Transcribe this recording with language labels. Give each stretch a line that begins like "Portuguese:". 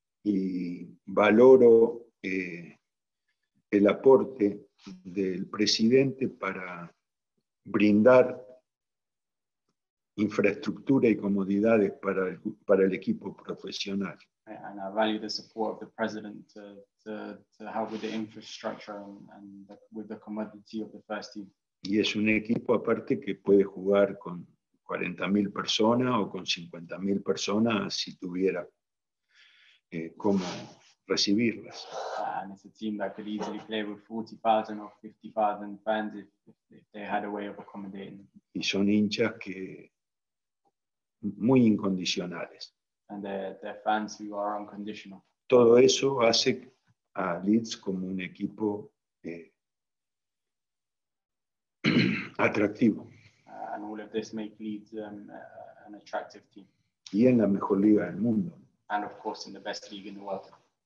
Spanish: Y valoro el aporte del presidente para brindar infraestructura y comodidades para el equipo profesional.
English: And I value the support of the president to help with the infrastructure and with the commodity of the first team.
Spanish: Y es un equipo aparte que puede jugar con 40.000 personas o con 50.000 personas si tuviera cómo recibirlas.
English: And it's a team that could easily play with 40,000 or 50,000 fans if they had a way of accommodating.
Spanish: Y son hinchas que muy incondicionales.
English: And they're fans who are unconditional.
Spanish: Todo eso hace a Leeds como un equipo atractivo.
English: And all of this make Leeds an attractive team.
Spanish: Y en la mejor liga del mundo.
English: And of course in the best league in the world.